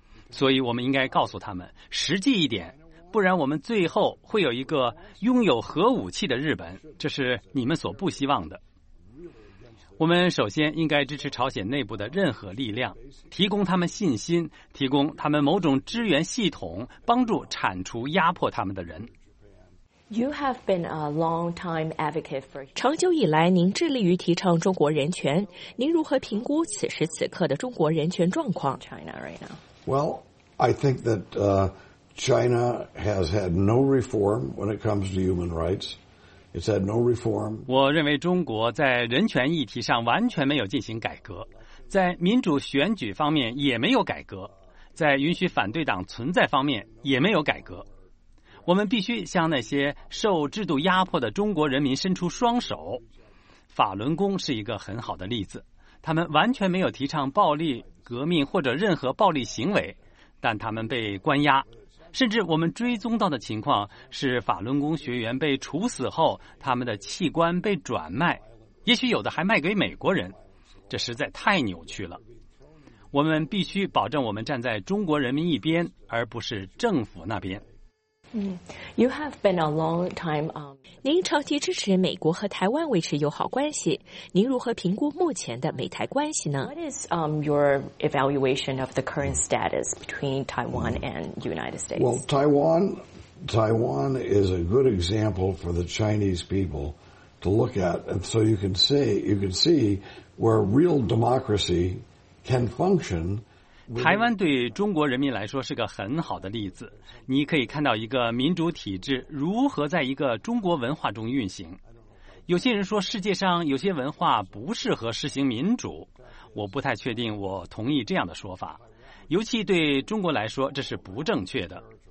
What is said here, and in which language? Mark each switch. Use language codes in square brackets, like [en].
[zh] 所以我们应该告诉他们实际一点，不然我们最后会有一个拥有核武器的日本，这是你们所不希望的。我们首先应该支持朝鲜内部的任何力量，提供他们信心，提供他们某种支援系统，帮助铲除压迫他们的人。 [en] You have been a long time advocate for. [zh] 长久以来，您致力于提倡中国人权。您如何评估此时此刻的中国人权状况 [en] ？China right now. Well, I think that China has had no reform when it comes to human rights. It's had no reform. [zh] 我认为中国在人权议题上完全没有进行改革，在民主选举方面也没有改革，在允许反对党存在方面也没有改革。我们必须向那些受制度压迫的中国人民伸出双手。法轮功是一个很好的例子，他们完全没有提倡暴力革命或者任何暴力行为，但他们被关押，甚至我们追踪到的情况是法轮功学员被处死后，他们的器官被转卖，也许有的还卖给美国人，这实在太扭曲了。我们必须保证我们站在中国人民一边，而不是政府那边。 [en] You have been a long time. [zh] 您长期支持美国和台湾维持友好关系，您如何评估目前的美台关系呢 [en] ？What is your evaluation of the current status between Taiwan and United States? Well, Taiwan is a good example for the Chinese people to look at, and so you can see where real democracy can function. [zh] 台湾对中国人民来说是个很好的例子，你可以看到一个民主体制如何在一个中国文化中运行。有些人说世界上有些文化不适合实行民主，我不太确定我同意这样的说法，尤其对中国来说这是不正确的。